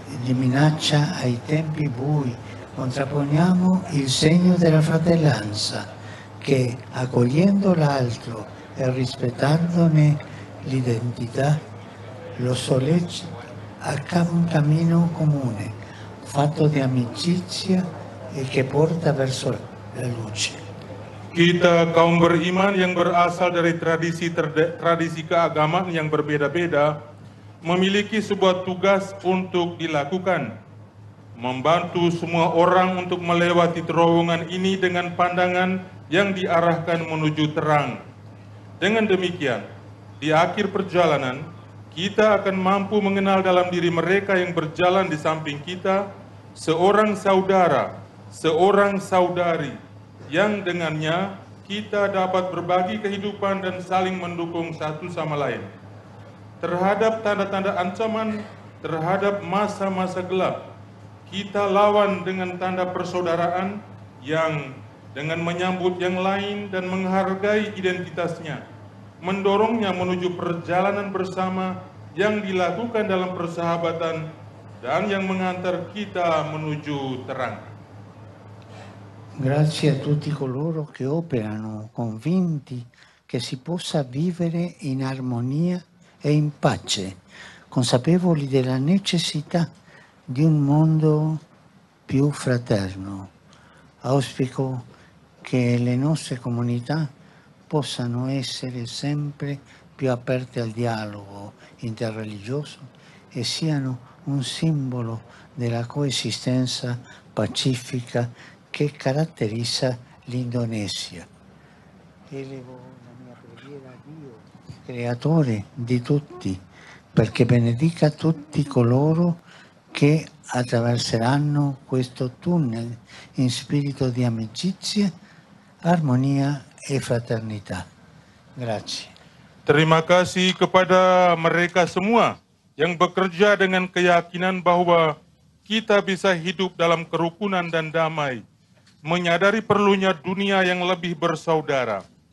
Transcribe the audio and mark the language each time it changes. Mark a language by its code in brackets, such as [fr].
[it] Ai tempi bui contrapponiamo il segno della fratellanza che accogliendo l'altro e rispettandone l'identità lo sollecita a un cammino comune fatto di amicizia e che porta verso la luce. [id] Kita kaum beriman yang berasal dari tradisi tradisi keagamaan yang berbeda-beda memiliki sebuah tugas untuk dilakukan, membantu semua orang untuk melewati terowongan ini dengan pandangan yang diarahkan menuju terang. Dengan demikian, di akhir perjalanan, kita akan mampu mengenal dalam diri mereka yang berjalan di samping kita, seorang saudara, seorang saudari, yang dengannya kita dapat berbagi kehidupan dan saling mendukung satu sama lain. Terhadap tanda-tanda ancaman, terhadap masa-masa gelap, kita lawan dengan tanda persaudaraan yang dengan menyambut yang lain dan menghargai identitasnya, mendorongnya menuju perjalanan bersama yang dilakukan dalam persahabatan dan yang mengantar kita menuju terang. [it] Grazie a tutti coloro che operano convinti che si possa vivere in armonia e in pace, consapevoli della necessità di un mondo più fraterno. Auspico che le nostre comunità possano essere sempre più aperte al dialogo interreligioso e siano un simbolo della coesistenza pacifica che caratterizza l'Indonesia. Elevo la mia preghiera a Dio, creatore di tutti, perché benedica tutti coloro che attraverseranno questo tunnel in spirito di amicizia, armonia e fraternità. Grazie. [id] Terima kasih kepada mereka semua yang bekerja dengan keyakinan bahwa kita bisa hidup dalam kerukunan dan damai, menyadari perlunya dunia yang lebih bersaudara.